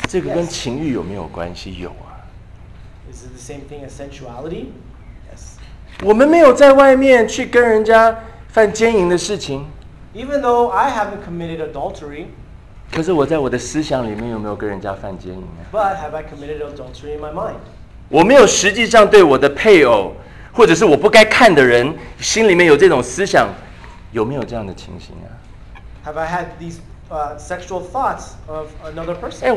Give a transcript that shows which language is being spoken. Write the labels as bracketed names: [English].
[Chinese] 这个跟情欲有没有关系？有啊。 [English] Is it the same thing as sensuality? Yes. [Chinese] 我们没有在外面去跟人家犯奸淫的事情。 [English] Even though I haven't committed adultery, [Chinese] 可是我在我的思想里面有没有跟人家犯奸淫呢？ [English] But have I committed adultery in my mind? [Chinese] 我没有实际上对我的配偶，或者是我不该看的人，心里面有这种思想，有没有这样的情形啊？ [English] Have I had these sexual thoughts of another person?